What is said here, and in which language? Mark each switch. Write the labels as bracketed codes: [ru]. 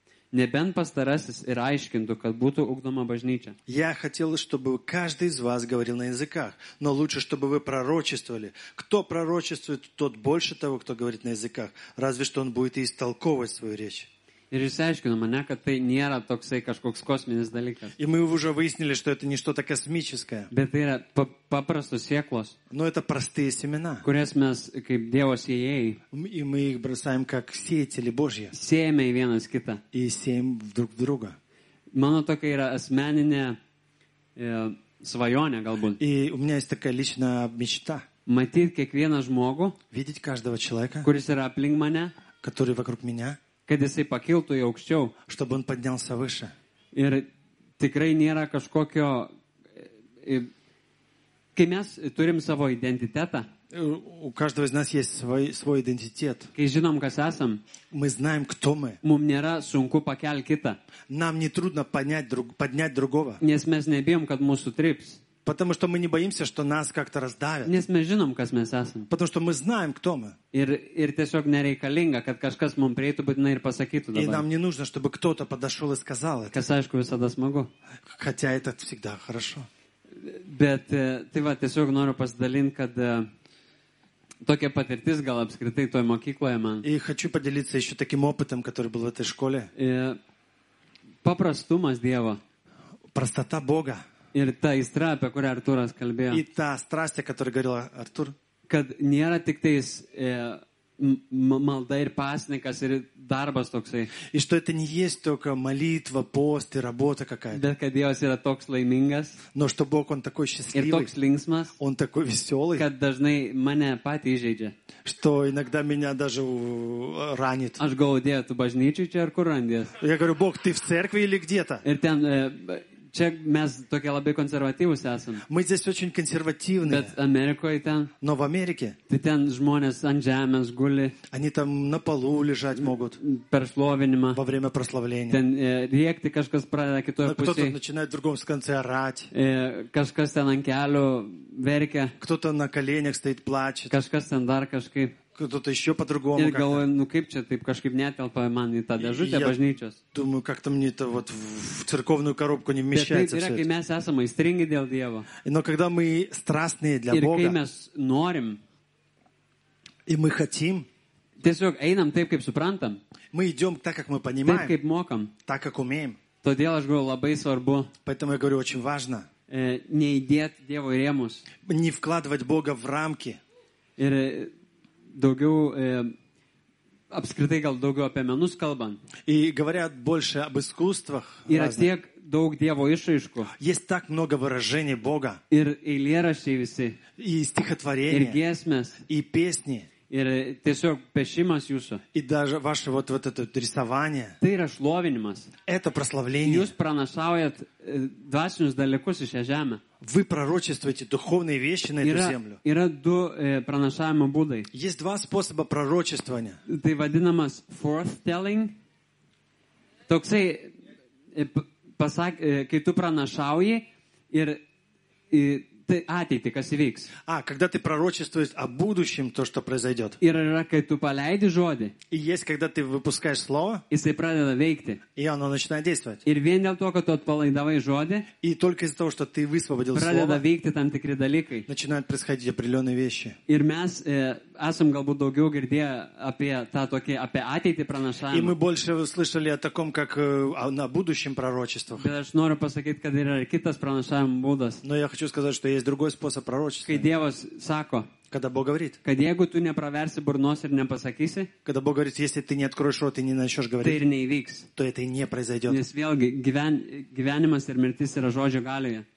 [lt] Nebent pastarasis ir aiškintų, kad būtų ugdoma bažnyčia. [ru] Я хотел, чтобы каждый из вас говорил на языках, но лучше, чтобы вы пророчествовали. Кто пророчествует, тот больше того, кто говорит на языках, разве что он будет истолковывать свою речь. [lt] Ir išsiaiškino mane, kad tai nėra toksai kažkoks kosminis dalykas. [ru] И мы уже выяснили, что это не что-то космическое. [lt] Bet tai yra paprastos sėklos. [ru] Но это простые семена. [lt] Kurias mes kaip Dievo sėjėjai. [ru] И мы их бросаем как сеятели Божьи. [lt] Сеяме į vienas kitą. [ru] И сеем друг друга. [lt] Mano tokia yra asmeninė svajonė galbūt. [ru] И у меня есть такая личная мечта. [lt] Matyti kiekvieną žmogų, [ru] видеть каждого человека, [lt] kuris yra aplink mane, [ru] который вокруг меня, [lt] kad jisai pakiltų į aukščiau, [ru] чтобы он поднялся выше. [lt] Ir tikrai nėra kažkokio, kai mes turim savo identitetą, [ru] у каждого из нас есть свой идентитет. [lt] Kai žinom, kas esam, [ru] мы знаем, кто мы. [lt] Mum nėra sunku pakelti kitą. [ru] Нам не трудно поднять другого. [lt] Nes mes nebijom, kad mūsų trips. [ru] Потому что мы не боимся, что нас как-то раздавят. Нес мы знаем, кто мы сасам. Потому что мы знаем, кто мы. [lt] Ir tiesiog nereikalinga, kad kažkas mum prieitų būtinai ir pasakytų dabar. [ru] И нам не нужно, чтобы кто-то подошел и сказал это. [lt] Kas aišku, visada smagu. [ru] Хотя это всегда хорошо. [lt] Bet tai va, tiesiog noriu pasidalinti, kad tokia patirtis gal apskritai toj mokykloje man. [ru] И хочу поделиться еще таким опытом, который был в этой школе. [lt] Paprastumas Dievo. [ru] Простота Бога. [lt] Ir ta aistra, apie kurią Artūras kalbėjo. [ru] И та страсть, о которой говорил Артур. [lt] Kad nėra tik tais malda ir pasninkas ir darbas toksai. [ru] И что это не есть только молитва, пост и работа какая-то. [lt] Bet kad Dievas yra toks laimingas. [ru] Но что Бог, он такой счастливый. [lt] Ir toks linksmas. [ru] Он такой веселый. [lt] Kad dažnai mane patį įžeidžia. [ru] Что иногда меня даже ранит. [lt] Aš galvoju, Dieve, tu bažnyčiai čia ar kur randies? [ru] Я говорю, Бог, ты в церкви или где-то? [lt] Ir ten... Čia mes tokie labai konservatyvūs esam. [ru] Мы здесь очень консервативные. [lt] Bet Amerikoje ten. [ru] Но в Америке. [lt] Tai ten žmonės ant žemės guli. [ru] Они там на полу лежать могут. [lt] Per šlovinimą. [ru] Во время прославления. [lt] Ten rėkti kažkas pradeda kitoje pusėje. [ru] Кто-то начинает в другом конце орать. [lt] Kažkas ten ant kelių verkia. [ru] Кто-то на коленях стоит плачет. [lt] Kažkas ten dar kažkaip. [ru] Кто-то еще по-другому. [lt] Ir galvoju, ну kaip čia taip kažkaip netelpa man į tą dėžutę bažnyčios. [ru] Думаю, как-то мне это вот в церковную коробку не вмещается. [lt] Bet yra, kai mes esam aistringi dėl Dievo. [ru] Но когда мы страстные для Бога. [lt] Ir kai mes norim. [ru] И мы хотим. [lt] Tiesiog einam taip, kaip suprantam. [ru] Мы идем так, как мы понимаем. [lt] Taip, kaip mokam. [ru] Так, как умеем. [lt] Todėl aš galvoju, labai svarbu. [ru] Поэтому я говорю, очень важно. [lt] Не įdėt Dievo į rėmus. [ru] Не вкладывать Бога в рамки. [lt] Ir... Daugiau, apskritai gal daugiau apie menus kalbant. [ru] И говорят больше об искусствах. [lt] Yra tiek daug Dievo išraiškų. [ru] Есть так много выражений Бога. [lt] Ir eilėraščiai visi. [ru] И стихотворения. [lt] Ir giesmės. [ru] И песни. [lt] Ir tiesiog piešimas jūsų. [ru] И даже ваше вот это рисование. [lt] Tai yra šlovinimas. [ru] Это прославление. [lt] Jūs pranašaujat dvasinius dalykus į šią žemę. [ru] Вы пророчествуете духовные вещи на эту землю. [lt] Yra du pranašavimo būdai. [ru] Есть два способа пророчествования. [lt] Tai vadinamas forthtelling. Toksai, kai tu pranašauji ir ateitį, kas įvyks. [ru] А, когда ты пророчествуешь о будущем, то, что произойдет. [lt] Ir yra, kai tu paleidi žodį. [ru] И есть, когда ты выпускаешь слово. [lt] Jisai pradeda veikti. [ru] И оно начинает действовать. [lt] Ir vien dėl to, kad tu atpalaidavai žodį. [ru] И только из-за того, что ты высвободил [lt] слово. Pradeda veikti tam tikri dalykai. [ru] Начинают происходить определенные вещи. [lt] Ir mes esam galbūt daugiau girdėję apie tą tokį, apie ateitį pranašavimą. [ru] И мы больше слышали о таком, как на будущем пророчествах. [lt] Bet aš noriu pasakyti, kad yra kitas pranašavimo būdas. [ru] Но я хочу сказать, что есть другой способ пророчества. [lt] Kai Dievas sako, [ru] когда Бог говорит, [lt] kad jeigu tu nepraversi burnos ir nepasakysi, [ru] когда Бог говорит, если ты не откроешь рот, ты не начнешь говорить, [lt] tai ir neįvyks, [ru] то это и не произойдет. [lt] Nes vėlgi, gyvenimas ir mirtis yra žodžio galioje.